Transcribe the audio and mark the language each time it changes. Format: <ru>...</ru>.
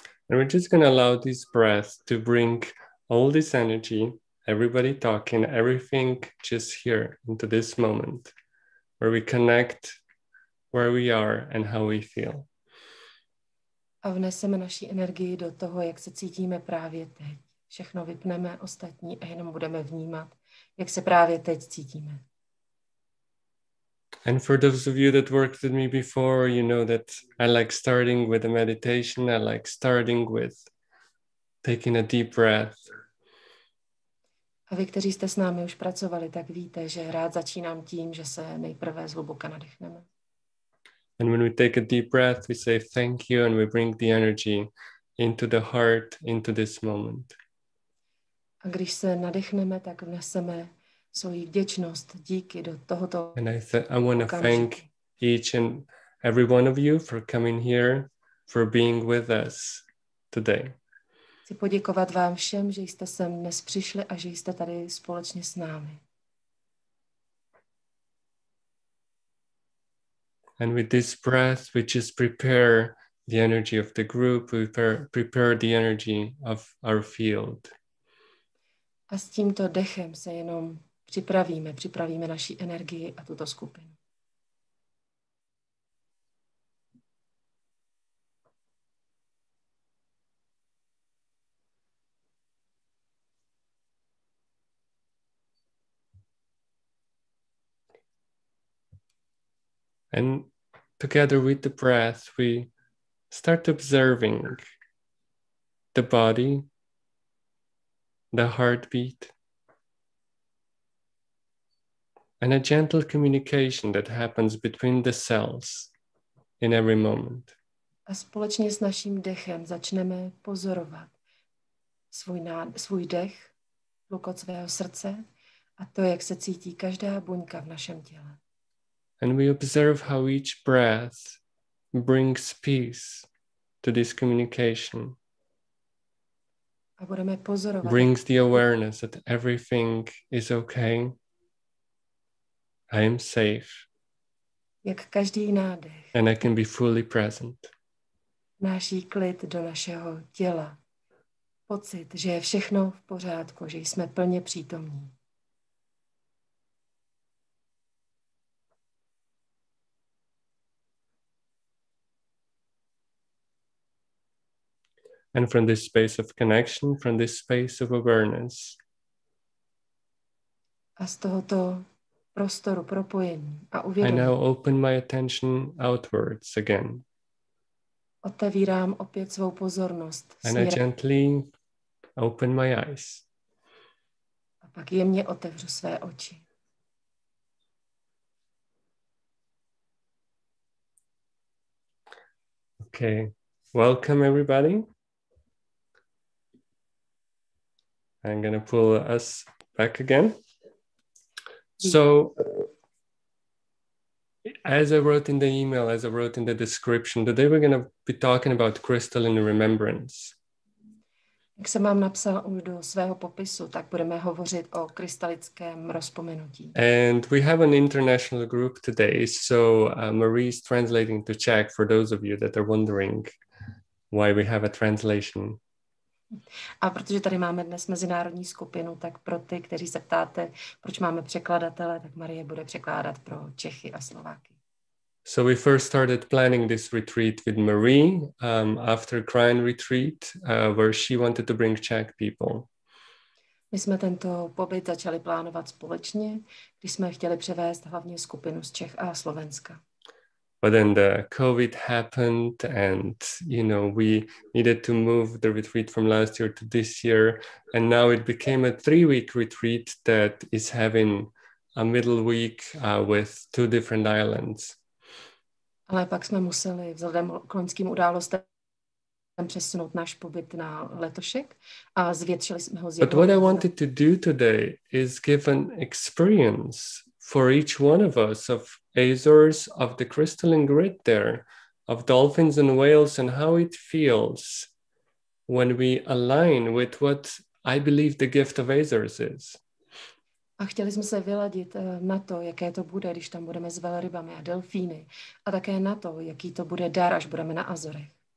<en>And we're just going to allow this breath to bring all this energy, everybody talking, everything just here into this moment, where we connect where we are and how we feel.</en> <cs>A vneseme naši energii do toho, jak se cítíme právě teď. Všechno vypneme ostatní a jenom budeme vnímat, jak se právě teď cítíme.</cs> <en>And for those of you that worked with me before, you know that I like starting with a meditation. I like starting with taking a deep breath.</en> <cs>A vy, kteří jste s námi už pracovali, tak víte, že rád začínám tím, že se nejprve zhluboka nadechneme.</cs> <en>And when we take a deep breath, we say thank you and we bring the energy into the heart, into this moment.</en> <cs>A když se nadechneme, tak vneseme svoji vděčnost, díky do tohoto</cs> <en>I want to thank each and every one of you for coming here, for being with us today.</en> <cs>Chci poděkovat vám všem, že jste sem dnes přišli a že jste tady společně s námi.</cs> <en>And with this breath, we just prepare the energy of the group, we prepare the energy of our field.</en> <cs>A s tímto dechem se jenom připravíme naši energii a tuto skupinu.</cs> <en>And together with the breath, we start observing the body, the heartbeat, and a gentle communication that happens between the cells in every moment.</en> <cs>A společně s naším dechem začneme pozorovat svůj dech, tlukot svého srdce a to, jak se cítí každá buňka v našem těle.</cs> <en>And we observe how each breath brings peace to this communication.</en> <cs>A budeme pozorovat.</cs> <en>Brings the awareness that everything is okay. I am safe.</en> <cs>Jak každý nádech.</cs> <en>And I can be fully present.</en> <cs>Náší klid do našeho těla. Pocit, že je všechno v pořádku, že jsme plně přítomní.</cs> <en>And from this space of connection, from this space of awareness.</en> <cs>A z tohoto prostoru propojení a uvědomí.</cs> <en>I now open my attention outwards again.</en> <cs>Otevírám opět svou pozornost.</cs> <en>And I gently open my eyes.</en> <cs>A pak jemně otevřu své oči.</cs> <en>Okay. Welcome everybody. I'm going to pull us back again. So as I wrote in the description, today we're going to be talking about crystalline remembrance.</en> <cs>Jak jsem vám napsal už do svého popisu, tak budeme hovořit o krystalickém rozpomenutí.</cs> <en>And we have an international group today, so Marie is translating to Czech for those of you that are wondering why we have a translation.</en> <cs>A protože tady máme dnes mezinárodní skupinu, tak pro ty, kteří se ptáte, proč máme překladatele, tak Marie bude překládat pro Čechy a Slováky.</cs> <en>So we first started planning this retreat with Marie after Krajan retreat, where she wanted to bring Czech people.</en> <cs>My jsme tento pobyt začali plánovat společně, když jsme chtěli převést hlavně skupinu z Čech a Slovenska.</cs> <en>But then the COVID happened and, you know, we needed to move the retreat from last year to this year. And now it became a 3-week retreat that is having a middle week with two different islands.</en> <cs>Ale pak jsme museli vzhledem k loňským událostem přesunout náš pobyt na letošek a zvětšili jsme ho z jednoho.</cs> <en>But what I wanted to do today is give an experience for each one of us of Azores, of the crystalline grid there, of dolphins and whales, and how it feels when we align with what I believe the gift of Azores is.</en> <cs>A chtěli jsme se vyladit na to, jaké to bude, když tam budeme s velrybami a delfíny, a také na to, jaký to bude dar, až budeme na Azorech.</cs>